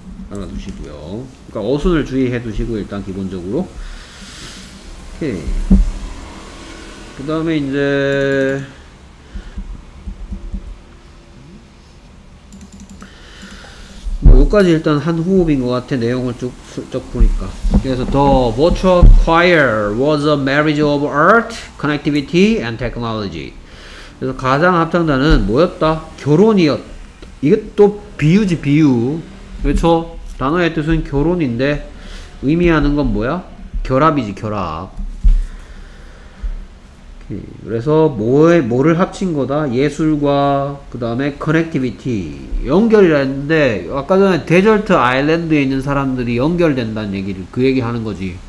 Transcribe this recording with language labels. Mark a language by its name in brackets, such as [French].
[Korean] 알아두시고요. 그러니까 어순을 주의해 두시고 일단 기본적으로 오케이. 그 다음에 이제 뭐 여기까지 일단 한 호흡인 것 같아. 내용을 쭉 슬쩍 보니까. 그래서 [English] The Beauchamp Choir was a marriage of art, connectivity and technology. [Korean] 그래서 가장 합창단은 뭐였다? 결혼이었다. 이게 또 비유지 비유. 그렇죠? 단어의 뜻은 결혼인데 의미하는 건 뭐야? 결합이지 결합. 그래서 뭐를 합친 거다? 예술과 그 다음에 커넥티비티 연결이라 했는데 아까 전에 데절트 아일랜드에 있는 사람들이 연결된다는 얘기를 그 얘기하는 거지.